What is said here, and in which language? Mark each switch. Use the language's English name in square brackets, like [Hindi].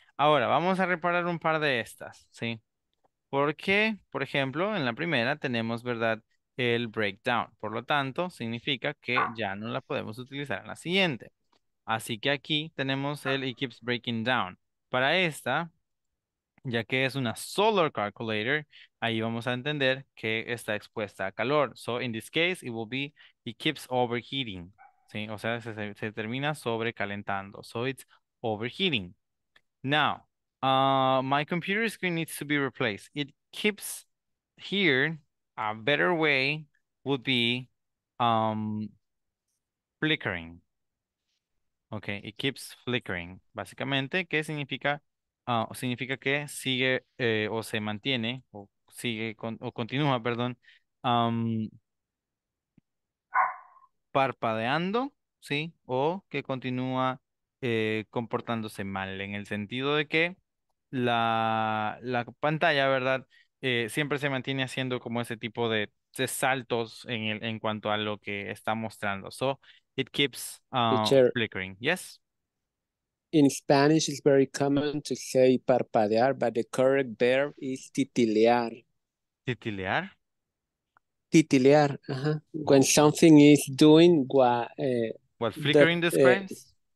[Spanish] Ahora vamos a reparar un par de estas, ¿sí? Porque, por ejemplo, en la primera tenemos, ¿verdad?, el breakdown. Por lo tanto, significa que ya no la podemos utilizar en la siguiente. Así que aquí tenemos el [English] it keeps breaking down. [Spanish] Para esta, ya que es una solar calculator, ahí vamos a entender que está expuesta a calor. [English] So, in this case, it will be it keeps overheating. [Spanish] ¿Sí? O sea, se termina sobrecalentando. [English] So, it's overheating. Now, my computer screen needs to be replaced. It keeps here. A better way would be flickering. Okay, it keeps flickering. [Spanish] Básicamente, ¿qué significa? Significa que sigue o se mantiene o sigue con, o continúa, perdón, parpadeando, ¿sí? O que continúa comportándose mal, en el sentido de que la pantalla, ¿verdad? Siempre se mantiene haciendo como ese tipo de saltos en cuanto a lo que está mostrando. [English] So, it keeps flickering. Yes? In Spanish, it's very common to say parpadear, but the correct verb is titilear. [Spanish] Titilear? [English] Titilear. Uh-huh. When something is doing what flickering describes?